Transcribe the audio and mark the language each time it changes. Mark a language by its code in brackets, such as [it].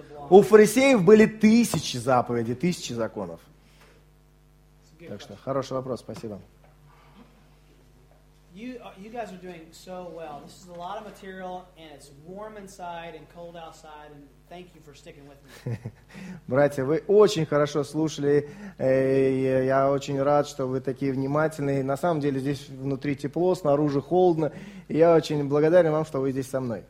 [ru] У фарисеев были тысячи заповедей, тысячи законов. Так что, хороший вопрос, спасибо. [en] You guys are doing so well. This is a lot of material, and it's warm inside and cold outside, and thank you for sticking with me. [ru] Братья, вы очень хорошо слушали. Я очень рад, что вы такие внимательные. На самом деле здесь внутри тепло, снаружи холодно. И я очень благодарен вам, что вы здесь со мной.